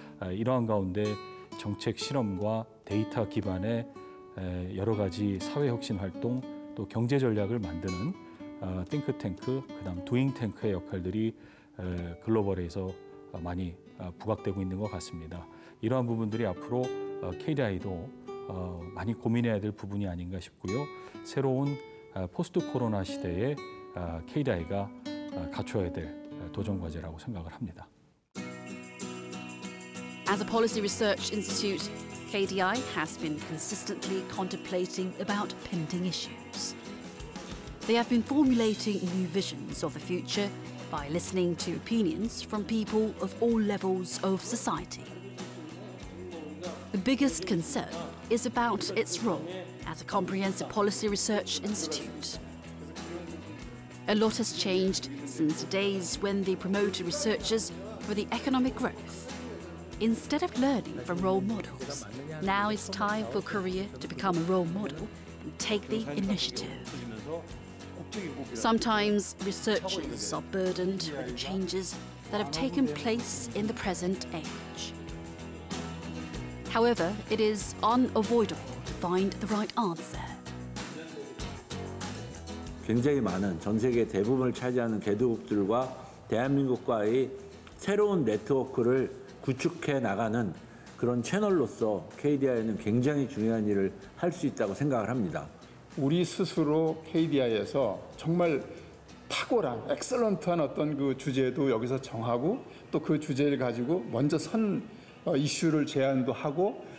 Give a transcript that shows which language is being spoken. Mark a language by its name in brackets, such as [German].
[Korean] 이러한 가운데 정책 실험과 데이터 기반의 여러 가지 사회 혁신 활동 또 경제 전략을 만드는 띵크탱크 그다음 두잉탱크의 역할들이 글로벌에서 많이 부각되고 있는 것 같습니다. 이러한 부분들이 앞으로 KDI도 많이 고민해야 될 부분이 아닌가 싶고요. 새로운 포스트 코로나 시대에 KDI가 갖춰야 될 도전 과제라고 생각을 합니다. [English] As a policy research institute, KDI has been consistently contemplating about pending issues. They have been formulating new visions of the future by listening to opinions from people of all levels of society. The biggest concern is about its role as a comprehensive policy research institute. A lot has changed since the days when they promoted researchers for the economic growth. Instead of learning from role models, now it's time for Korea to become a role model and take the initiative. Sometimes researchers are burdened with the changes that have taken place in the present age. However, it is unavoidable to find the right answer. [Korean] 굉장히 많은 전 세계 대부분을 차지하는 개도국들과 대한민국과의 새로운 네트워크를 구축해 나가는 그런 채널로서 KDI는 굉장히 중요한 일을 할 수 있다고 생각을 합니다. 우리 스스로 KDI에서 정말 탁월한, 엑셀런트한 어떤 그 주제도 여기서 정하고 또 그 주제를 가지고 먼저 선 이슈를 제안도 하고